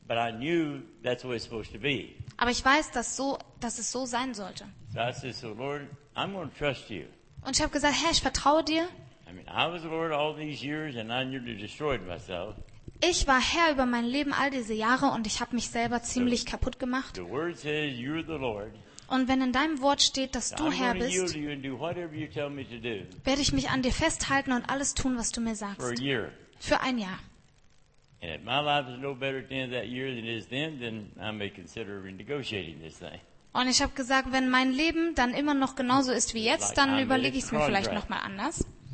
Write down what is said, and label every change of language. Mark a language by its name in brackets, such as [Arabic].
[English] But I knew that's what it's supposed to be. [German] Aber ich weiß, dass es so sein sollte. [English] So I said, so Lord, I'm going to trust you. [German] Und ich habe gesagt, Herr, ich vertraue dir. [English] I mean, I was Lord all these years and I nearly destroyed myself. [German] Ich war Herr über mein Leben all diese Jahre und ich habe mich selber ziemlich kaputt gemacht. [English] The word says you're the Lord. [German] Und wenn in deinem Wort steht, dass du Herr bist, werde ich mich an dir festhalten und alles tun, was du mir sagst. [English] For a year. [German] Für ein Jahr. [English] And if my life is no better at the end of that year than it is then I may consider renegotiating this thing. [German] Und ich habe gesagt, wenn mein Leben dann immer noch genauso ist wie jetzt, dann überlege ich es mir vielleicht nochmal anders.